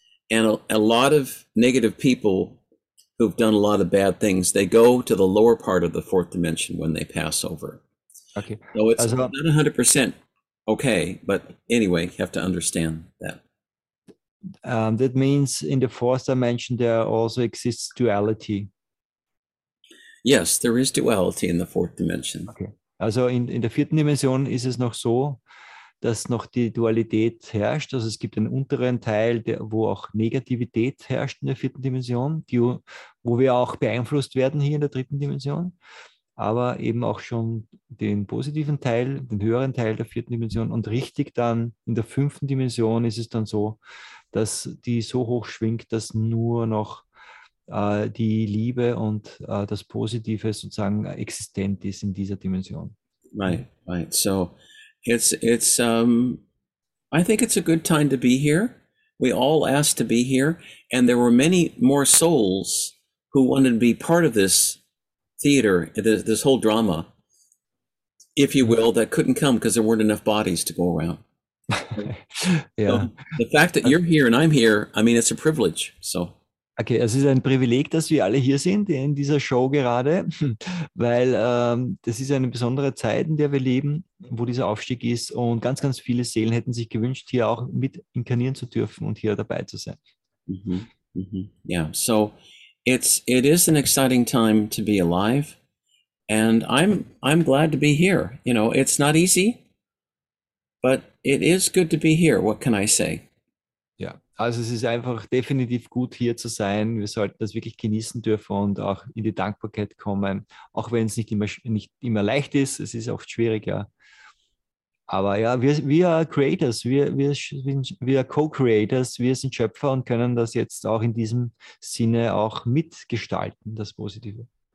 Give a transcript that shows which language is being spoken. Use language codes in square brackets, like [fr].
[en] And a lot of negative people who've done a lot of bad things, they go to the lower part of the fourth dimension when they pass over. Okay, So it's also not 100% okay, but anyway, you have to understand that. that means in the fourth dimension there also exists duality. Yes, there is duality in the fourth dimension. [de] Okay, also in der vierten Dimension ist es noch so, dass noch die Dualität herrscht. Also es gibt einen unteren Teil, wo auch Negativität herrscht in der vierten Dimension, wo wir auch beeinflusst werden hier in der dritten Dimension. Aber eben auch schon den positiven Teil, den höheren Teil der vierten Dimension. Und richtig dann in der fünften Dimension ist es dann so, dass die so hoch schwingt, dass nur noch die Liebe und das Positive sozusagen existent ist in dieser Dimension. [en] Right. So I think it's a good time to be here. We all asked to be here, and there were many more souls who wanted to be part of this theater, this whole drama, if you will, that couldn't come because there weren't enough bodies to go around. [de] Ja. [en] The fact that you're here and I'm here, I mean, it's a privilege, so. [de] Okay, es ist ein Privileg, dass wir alle hier sind in dieser Show gerade, weil das ist eine besondere Zeit, in der wir leben, wo dieser Aufstieg ist und ganz, ganz viele Seelen hätten sich gewünscht, hier auch mit inkarnieren zu dürfen und hier dabei zu sein. [en] Yeah, so it is an exciting time to be alive, and I'm glad to be here. It's not easy, but it is good to be here. What can I say? [de] Ja, also es ist einfach definitiv gut hier zu sein. Wir sollten das wirklich genießen dürfen und auch in die Dankbarkeit kommen, auch wenn es nicht immer leicht ist. Es ist oft schwieriger. Aber ja, wir Creators, wir Co-Creators, wir sind Schöpfer und können das jetzt auch in diesem Sinne auch mitgestalten, das Positive.